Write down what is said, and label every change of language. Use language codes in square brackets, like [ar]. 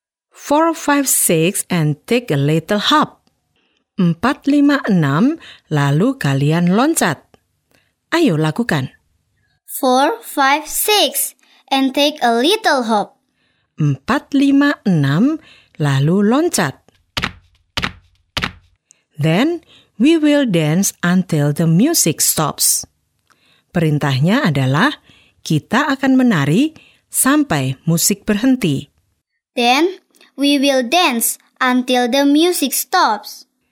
[en] 4, 5, 6 and take a little hop. [id] 4, 5, 6 lalu kalian loncat. Ayo lakukan. [en] 4, 5, 6 and take a little hop. [id] 4, 5, 6 lalu loncat. [en] Then we will dance until the music stops. [id] Perintahnya adalah kita akan menari sampai musik berhenti. [en] Then we will dance until the music stops.